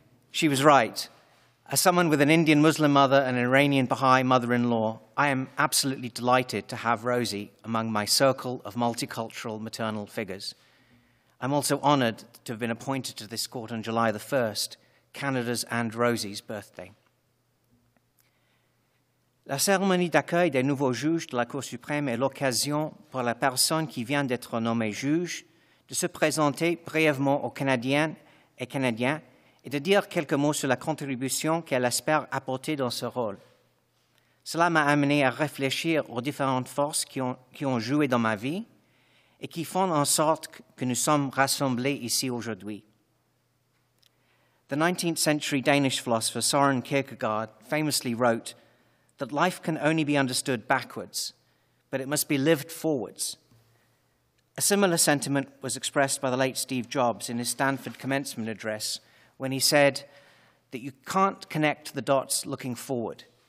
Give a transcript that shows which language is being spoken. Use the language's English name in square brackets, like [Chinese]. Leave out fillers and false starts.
[English] She was right. As someone with an Indian Muslim mother and an Iranian Baha'i mother-in-law, I am absolutely delighted to have Rosie among my circle of multicultural maternal figures. I'm also honored to have been appointed to this court on July the 1st, Canada's and Rosie's birthday. [French] La cérémonie d'accueil des nouveaux juges de la Cour suprême est l'occasion pour la personne qui vient d'être nommée juge de se présenter brièvement aux Canadiennes et Canadiens et de dire quelques mots sur la contribution qu'elle espère apporter dans ce rôle. Cela m'a amené à réfléchir aux différentes forces qui ont joué dans ma vie et qui font en sorte que nous sommes rassemblés ici aujourd'hui. [English] The 19th century Danish philosopher Søren Kierkegaard famously wrote that life can only be understood backwards, but it must be lived forwards. A similar sentiment was expressed by the late Steve Jobs in his Stanford commencement address when he said that you can't connect the dots looking forward.